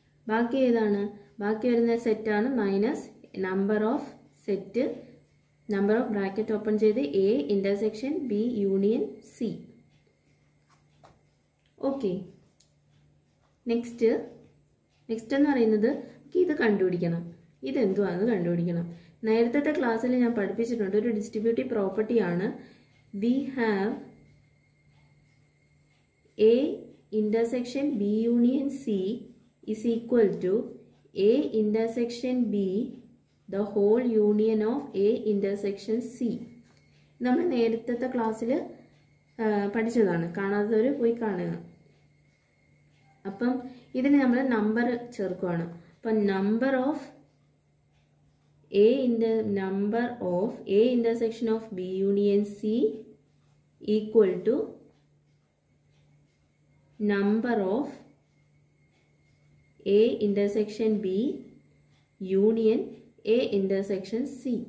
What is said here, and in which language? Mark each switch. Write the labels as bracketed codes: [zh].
[ml] ബാക്കി ഏതാണ്? ബാക്കി വരുന്ന സെറ്റാണ് [en] Minus number of set number of bracket open ചെയ്ത് A intersection B union C. [ml] Okay, next എന്ന് പറയുന്നത് ഇത് കണ്ടുപിടിക്കണം. ഇതെന്തുവാണെന്ന് കണ്ടുപിടിക്കണം. നേരത്തെ ക്ലാസ്സിൽ ഞാൻ പഠിപ്പിച്ചിട്ടുണ്ട്, ഒരു ഡിസ്ട്രിബ്യൂട്ടീവ് പ്രോപ്പർട്ടി ആണ്. [en] We have A intersection B union C is equal to A intersection B the whole union of A intersection C. [ml] നമ്മൾ നേരത്തെ ക്ലാസ്സിൽ പഠിച്ചതാണ്, കാണാത്തവർ പോയി കാണുക. അപ്പം ഇതിന് നമ്മൾ നമ്പർ ചേർക്കുകയാണ്. [en] അപ്പം number of A inter number of A intersection of B union C equal to number of A intersection B union A intersection C.